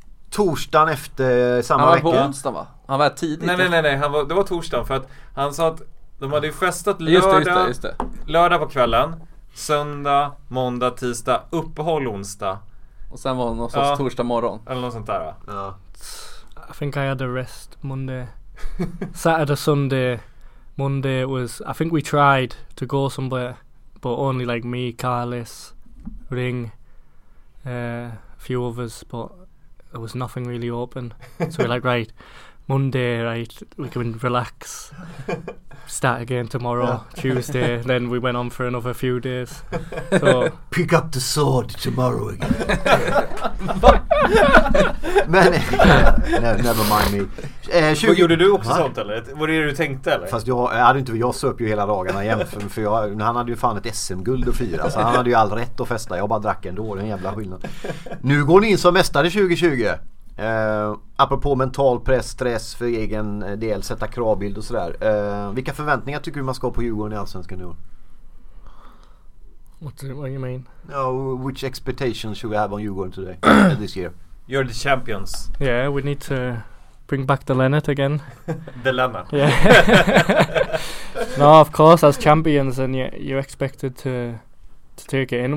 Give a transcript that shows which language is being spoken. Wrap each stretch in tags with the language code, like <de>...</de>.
<sv>Torsdagen efter samma vecka. Han var vecka. På onsdag, va? Han var tidigt. Nej, han var, det var torsdagen, för att han sa att de hade ju festat lördag. Lördag på kvällen, söndag, måndag, tisdag, uppehåll onsdag. Och sen var det någon sorts torsdag morgon. Eller något sånt där, va?</sv> <en>Ja. I think I had a rest Monday. Saturday, Sunday, Monday was, I think we tried to go somewhere, but only like me, Carlis, Ring, a few others, but there was nothing really open. So we're like, right, Monday, right, we can relax, start again tomorrow, yeah. Tuesday, then we went on for another few days. So pick up the sword tomorrow again. Men, never mind me.</en> <sv>Vad gjorde du också sånt eller? Var det du tänkte eller? Fast jag hade inte, jag söp ju hela dagarna jämfört med, för jag, han hade ju fan ett SM-guld att fira, så han hade ju all rätt att festa. Jag bara drack ändå, den jävla skillnaden. Nu går ni in som mästare 2020. Apropå mental press, stress för egen del, sätta kravbild och sådär. Vilka förväntningar tycker du man ska ha på Djurgården i Allsvenskan nu?</sv> <en>What do you mean? Which expectations should we have on Djurgården today, this year? You're the champions. Yeah, we need to bring back the Leonard again. The Leonard. Yeah. No, of course, as champions, and you're expected to take it in.</en>